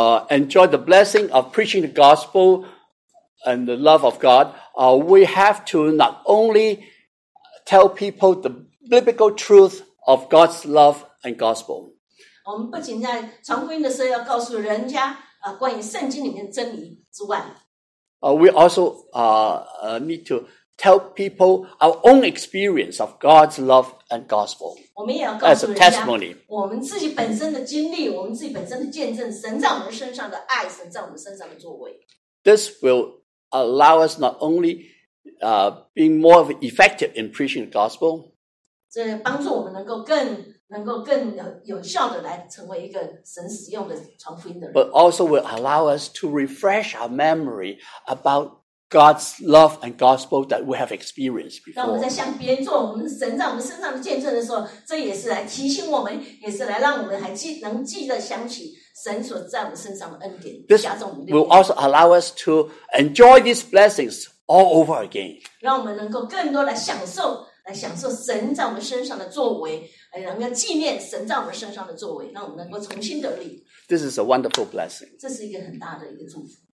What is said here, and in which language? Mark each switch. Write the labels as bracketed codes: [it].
[en] enjoy the blessing of preaching the gospel and the love of God, we have to not only tell people the biblical truth of God's love and gospel. [zh] 我们不仅在传福音的时候要告诉人家关于圣经里面真理之外， [en] we also need to tell people our own experience of God's love and gospel. [zh] 我们也要告诉人家 [en] as a testimony. [zh] 我们自己本身的经历，我们自己本身的见证，神在我们身上的爱，神在我们身上的作为。 [en] This will allow us not only being more effective in preaching the gospel. [zh] 这帮助我们能够更 有效地来成为一个神使用的传福音的人。 [en] But also will allow us to refresh our memory about God's love and gospel that we have experienced before. [zh] 当我们在向别人做我们神在我们身上的见证的时候，这也是来提醒我们，也是来让我们还记能记得想起神所在我们身上的恩典。 [en] This will also allow us to enjoy these blessings all over again. [zh] 让我们能够更多来享受。来享受神在我们身上的作为，能够纪念神在我们身上的作为，让我们能够重新得力。 [en] This is a wonderful blessing. [zh] 这是一个很大的一个祝福。